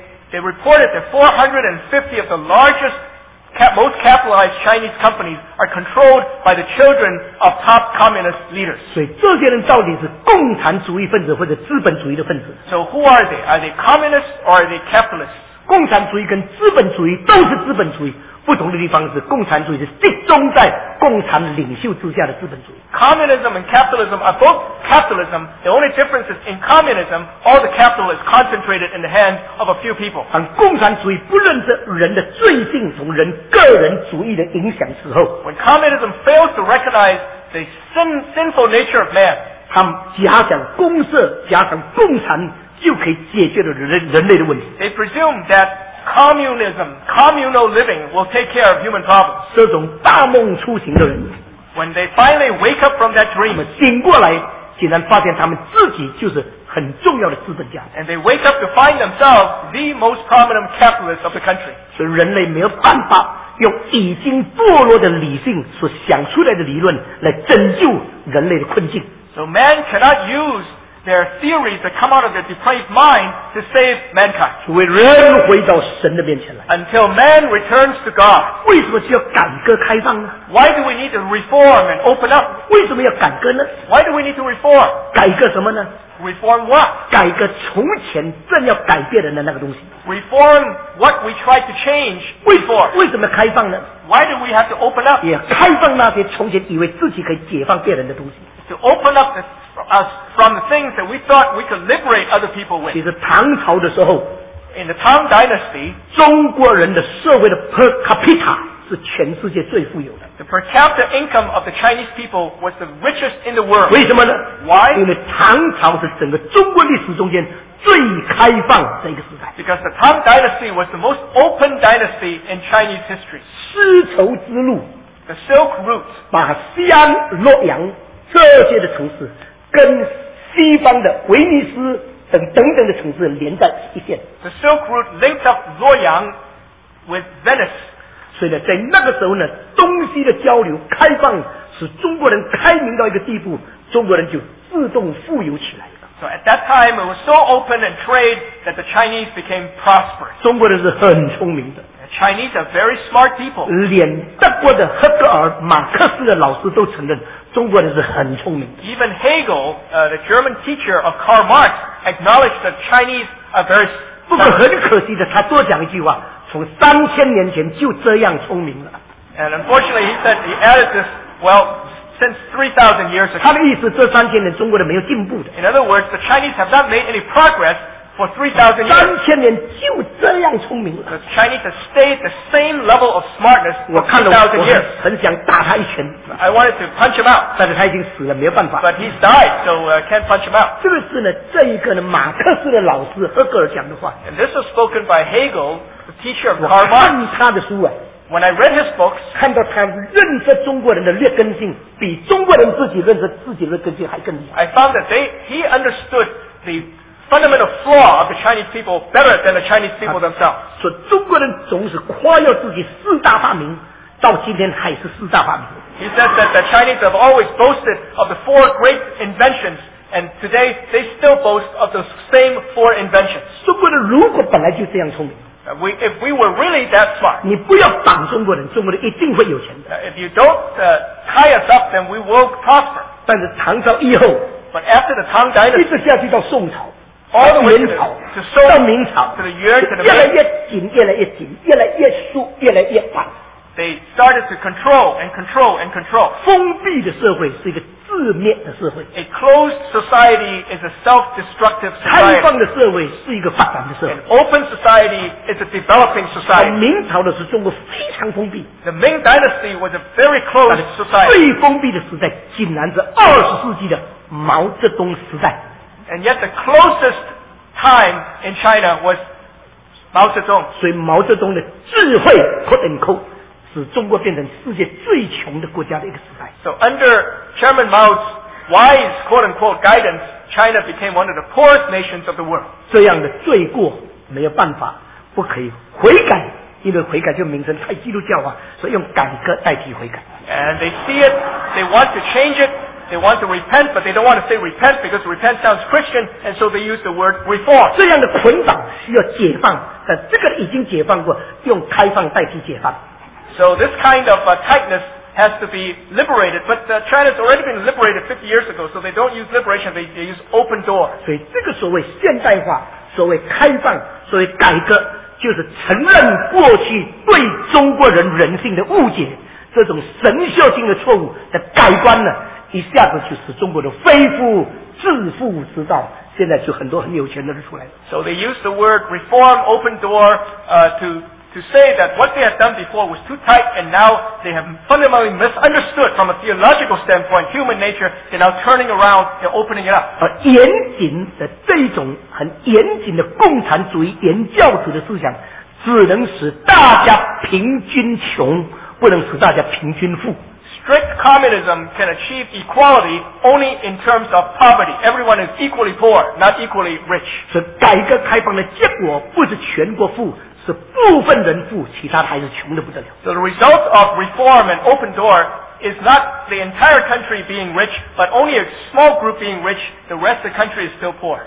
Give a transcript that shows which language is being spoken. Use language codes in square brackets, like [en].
[en] They reported that 450 of the largest, most capitalized Chinese companies are controlled by the children of top communist leaders. [zh] 所以这些人到底是共产主义分子或者资本主义的分子？ [en] So who are they? Are they communists or are they capitalists? [zh] 共产主义跟资本主义都是资本主义，不同的地方是共产主义是集中在共产领袖之下的资本主义。 [en] Communism and capitalism are both capitalism. The only difference is in communism, all the capital is concentrated in the hands of a few people. [zh] 但共产主义不论是人的罪性从人个人主义的影响之后 [en] ，When communism fails to recognize the sinful nature of man, [zh] 他们假想公社，假想共产就可以解决了人类的问题。 [en] They presume that. Communism, communal living will take care of human problems. [zh] 这种大梦初醒的人 [en] when they finally wake up from that dream, [zh] 他们醒过来，竟然发现他们自己就是很重要的资本家。 [en] And they wake up to find themselves the most prominent capitalist of the country. [zh] 所以人类没有办法用已经堕落的理性所想出来的理论来拯救人类的困境。 [en] So man cannot use. There are theories that come out of their depraved mind to save mankind. [zh] 除非人回到神的面前来。 [en] Until man returns to God. [zh] 为什么需要改革开放呢？ [en] Why do we need to reform and open up? [zh] 为什么要改革呢？ [en] Why do we need to reform? [zh] 改革什么呢？ [en] Reform what? [zh] 改革从前正要改变人的那个东西。 [en] Reform what we tried to change before. [zh] 为什么要开放呢？ [en] Why do we have to open up? [zh] 也开放那些从前以为自己可以解放别人的东西。 [en] To open up the us from the things that we thought we could liberate other people with. [zh] 其实唐朝的时候 [en] in the Tang Dynasty, [zh] 中国人的社会的 per capita 是全世界最富有的。 [en] The per capita income of the Chinese people was the richest in the world. [zh] 为什么呢？ [en] Why? [zh] 因为唐朝是整个中国历史中间最开放的一个时代。 [en] Because the Tang Dynasty was the most open dynasty in Chinese history. [zh] 丝绸之路 [en] the Silk Route, [zh] 把西安、洛阳这些的城市跟西方的威尼斯等等等的城市连在一线。 [en] The Silk Route linked up Luoyang with Venice. [zh] 所以呢，在那个时候呢，东西的交流开放，使中国人开明到一个地步，中国人就自动富有起来了。 [en] So at that time, it was so open and trade that the Chinese became prosperous. [zh] 中国人是很聪明的。 [en] Chinese are very smart people. [zh] 连德国的赫格尔、马克思的老师都承认。中国人是很聪明的。 [en] Even Hegel, the German teacher of Karl Marx, acknowledged that Chinese are very smart. [zh] 不过很可惜的，他多讲一句话，从三千年前就这样聪明了。 [en] And unfortunately, he said he added this, well, since 3,000 years ago. [zh] 他的意思，这三千年中国人没有进步的。 [en] In other words, the Chinese have not made any progress for 3,000 years. [zh] 三千年就这样聪明了。 [en] The Chinese have stayed the same level of smartness for 3,000 years. [zh] 我很想打他一拳。 [en] I wanted to punch him out. [zh] 但是他已经死了，没有办法。 [en] But he's died, so I can't punch him out. [zh] 这个是呢，这一个呢，马克思的老师赫格尔讲的话。 [en] And this was spoken by Hegel, the teacher of Karl Marx. [zh] 我看他的书啊。 [en] When I read his books, [zh] 看到他认识中国人的劣根性，比中国人自己认识自己的劣根性还更厉害。 [en] I found that he understood the fundamental flaw of the Chinese people better than the Chinese people themselves. [zh] 说中国人总是夸耀自己四大发明，到今天还是四大发明。 [en] He says that the Chinese have always boasted of the four great inventions, and today they still boast of the same four inventions. [zh] 中国人如果本来就这样聪明。 [en] If we were really that smart, [zh] 你不要绑中国人，中国人一定会有钱的。 [en] If you don't tie us up, then we will prosper. [zh] 但是唐朝以后 [en] But after the Tang Dynasty, [zh] 一直下去到宋朝 [en] all the way [zh] 元朝 [en] to [zh] 到明朝 [en] to the year, to the [zh] 越来越紧越来越紧越来越疏越来越绑 [en] They started to control and control and control. [zh] 封闭的社会是一个自灭的社会。 [en] A closed society is a self-destructive society. [zh] 开放的社会是一个发展的社会。 [en] An open society is a developing society. [zh] 明朝的时候，中国非常封闭。 [en] The Ming Dynasty was a very closed society. [zh] 最封闭的时代，竟然是二十世纪的毛泽东时代。 [en] And yet the closest time in China was Mao Zedong. [zh] 所以毛泽东的智慧 [en] quote unquote [zh] 使中国变成世界最穷的国家的一个时代。 [en] So under Chairman Mao's wise quote unquote guidance, China became one of the poorest nations of the world. [zh] 这样的罪过没有办法，不可以悔改，因为悔改就名称太基督教化，所以用改革代替悔改。 [en] And they see it, they want to change it, they want to repent, but they don't want to say repent because repent sounds Christian, and so they use the word reform. [zh] 这样的捆绑需要解放，但这个已经解放过，用开放代替解放。 [en] So this kind of tightness has to be liberated, but China's already been liberated 50 years ago, so they don't use liberation, they use open door. [zh] 所以这个所谓现代化，所谓开放，所谓改革，就是承认过去对中国人人性的误解，这种神秀性的错误的改观呢，一下子就使中国的恢复致富之道，现在就很多很有钱的人出来了。 [en] So they used the word reform, open door, to say that what they had done before was too tight, and now they have fundamentally misunderstood from a theological standpoint human nature, they're now turning around, they're opening it up. [zh] 严谨的这种很严谨的共产主义原教旨的思想，只能使大家平均穷，不能使大家平均富。 [en] Strict communism can achieve equality only in terms of poverty. Everyone is equally poor, not equally rich. [zh] 所以改革开放的结果不是全国富，是部分人富，其他还是穷得不得了。 [en] So the result of reform and open door is not the entire country being rich, but only a small group being rich. The rest of the country is still poor.